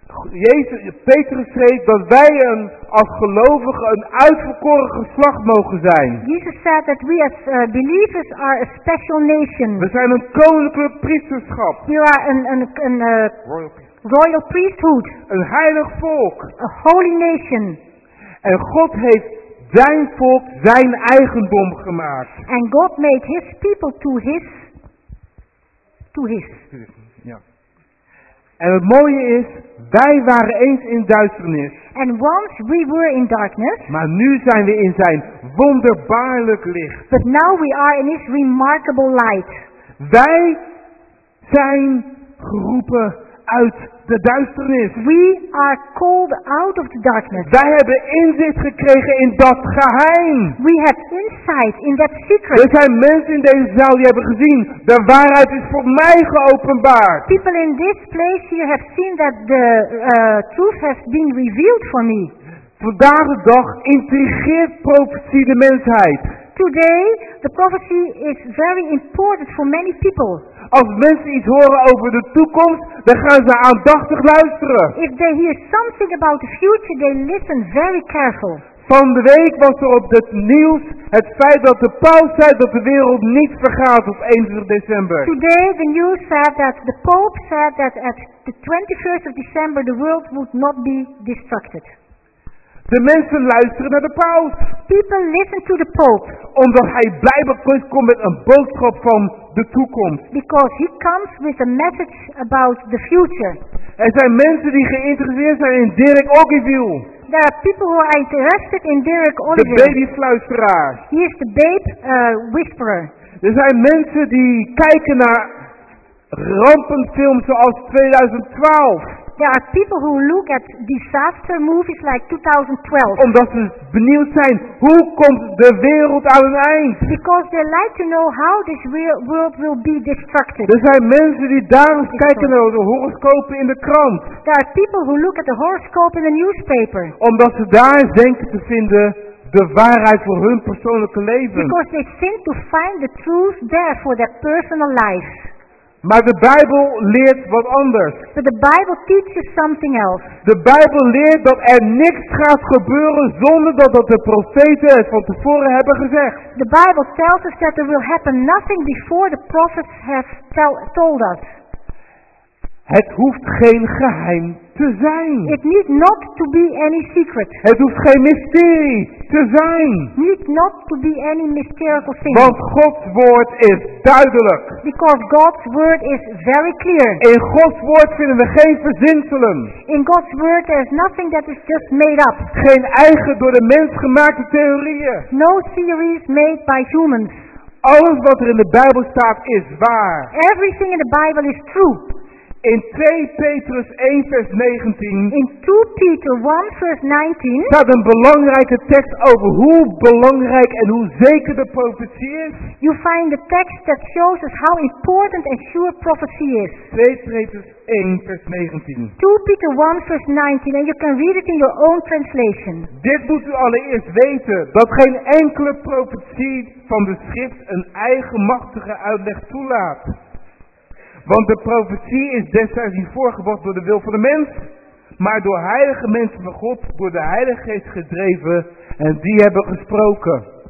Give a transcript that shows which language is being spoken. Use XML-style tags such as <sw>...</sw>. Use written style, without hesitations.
<nl>Jezus, Petrus schreef dat wij een, als gelovigen een uitverkoren geslacht mogen zijn.</nl> <en>Jesus said that we as believers are a special nation.</en> <nl>We zijn een koninklijk priesterschap.</nl> <en>You are royal priesthood.</en> <nl>Een heilig volk.</nl> <en>A holy nation.</en> <nl>En God heeft zijn volk zijn eigendom gemaakt.</nl> <en>And God made his people to his. To his.</en> <nl>Ja. En het mooie is, wij waren eens in duisternis.</nl> <en>And once we were in darkness.</en> <nl>Maar nu zijn we in zijn wonderbaarlijk licht.</nl> <en>But now we are in his remarkable light.</en> <nl>Wij zijn geroepen uit de duisternis.</nl> <en>We are called out of the darkness.</en> <nl>Wij hebben inzicht gekregen in dat geheim.</nl> <en>We have insight in that secret.</en> <nl>Er zijn mensen in deze zaal die hebben gezien. De waarheid is voor mij geopenbaard.</nl> <en>People in this place here have seen that the truth has been revealed for me.</en> <nl>Vandaag de dag intrigeert profetie de mensheid.</nl> <en>Today, the prophecy is very important for many people.</en> <nl>Als mensen iets horen over de toekomst, dan gaan ze aandachtig luisteren.</nl> <en>If they hear something about the future, they listen very careful.</en> <nl>Van de week was er op het nieuws het feit dat de paus zei dat de wereld niet vergaat op 21 december.</nl> <en>Today the news said that the Pope said that at the 21st of December the world would not be destructed.</en> <nl>De mensen luisteren naar de paus.</nl> <en>People listen to the Pope.</en> <nl>Omdat hij blijkbaar komt met een boodschap van de toekomst.</nl> <en>Because he comes with a message about the future.</en> <nl>Er zijn mensen die geïnteresseerd zijn in Derek Ogilvie.</nl> <en>There are people who are interested in Derek Ogilvie.</en> <nl>De babyfluisteraar.</nl> <en>He is the babe whisperer.</en> <nl>Er zijn mensen die kijken naar rampenfilms zoals 2012.</nl> <en>There are people who look at disaster movies like 2012.</en> <nl>Omdat ze benieuwd zijn, hoe komt de wereld aan een eind?</nl> <en>Because they like to know how this world will be destructed.</en> <nl>Er zijn mensen die daar kijken naar de horoscopen in de krant.</nl> <en>There are people who look at the horoscope in the newspaper.</en> <nl>Omdat ze daar denken te vinden de waarheid voor hun persoonlijke leven.</nl> <en>Because they think to find the truth there for their personal life.</en> <nl>Maar de Bijbel leert wat anders.</nl> <en>But the Bible teaches something else.</en> <nl>De Bijbel leert dat er niks gaat gebeuren zonder dat de profeten het van tevoren hebben gezegd.</nl> <en>The Bible tells us that there will happen nothing before the prophets have told us.</en> <nl>Het hoeft geen geheim te zijn.</nl> <en>It need not to be any secret.</en> <nl>Het hoeft geen mysterie te zijn.</nl> <en>Need not to be any mysterious thing.</en> <nl>Want Gods woord is duidelijk.</nl> <en>Because God's word is very clear.</en> <nl>In Gods woord vinden we geen verzinselen.</nl> <en>In God's word there is nothing that is just made up.</en> <nl>Geen eigen door de mens gemaakte theorieën.</nl> <en>No theories made by humans.</en> <nl>Alles wat er in de Bijbel staat is waar.</nl> <en>Everything in the Bible is true.</en> <nl>In 2 Petrus 1 vers 19.</nl> <en>In 2 Peter 1 vers 19.</en> <nl>Staat een belangrijke tekst over hoe belangrijk en hoe zeker de profetie is.</nl> <en>You find the text that shows us how important and sure prophecy is.</en> <nl>2 Petrus 1 vers 19.</nl> <en>2 Peter 1 vers 19. And you can read it in your own translation.</en> <nl>Dit moet u allereerst weten. Dat geen enkele profetie van de schrift een eigenmachtige uitleg toelaat. Want de profetie is destijds niet voorgebracht door de wil van de mens, maar door heilige mensen van God, door de Heilige Geest gedreven, en die hebben gesproken.</nl>